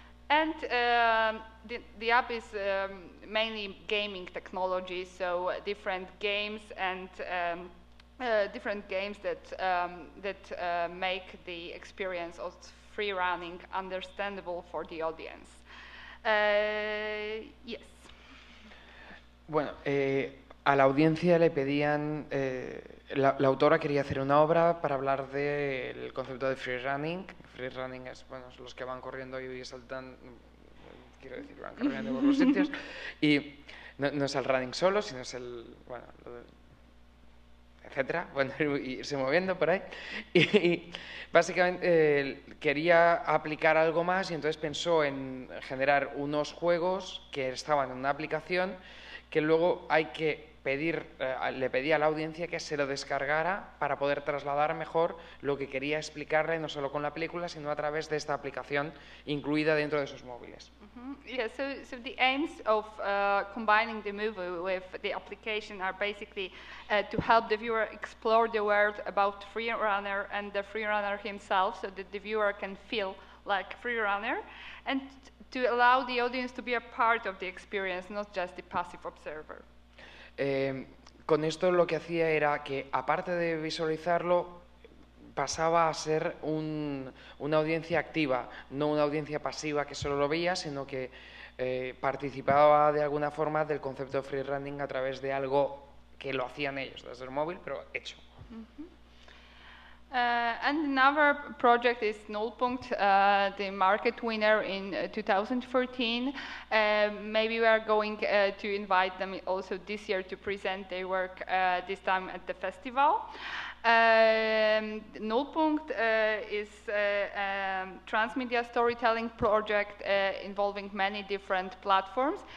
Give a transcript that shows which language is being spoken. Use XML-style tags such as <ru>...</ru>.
<en>And the app is mainly gaming technology, so different games and make the experience of free running understandable for the audience. Yes.</en> <es>Bueno, a la audiencia le pedían, la autora quería hacer una obra para hablar del concepto de free running. Free running es, bueno, es los que van corriendo y saltan, quiero decir, van corriendo por los sitios. Y no es el running solo, sino es el, bueno, etcétera, bueno, irse moviendo por ahí. Y básicamente quería aplicar algo más y entonces pensó en generar unos juegos que estaban en una aplicación que luego hay que pedir, le pedí a la audiencia que se lo descargara para poder trasladar mejor lo que quería explicarle, no solo con la película, sino a través de esta aplicación incluida dentro de sus móviles. Mm-hmm.</es> <en>Yeah, so the aims of combining the movie with the application are basically to help the viewer explore the world about free runner and the free runner himself, so that the viewer can feel like free runner, and to allow the audience to be a part of the experience, not just the passive observer.</en> <es>Con esto lo que hacía era que, aparte de visualizarlo, pasaba a ser una audiencia activa, no una audiencia pasiva que solo lo veía, sino que participaba de alguna forma del concepto de free running a través de algo que lo hacían ellos, desde el móvil, pero hecho.</es> <en>And another project is Nullpunkt, the market winner in 2014. Maybe we are going to invite them also this year to present their work this time at the festival. Nullpunkt is a transmedia storytelling project involving many different platforms.</en>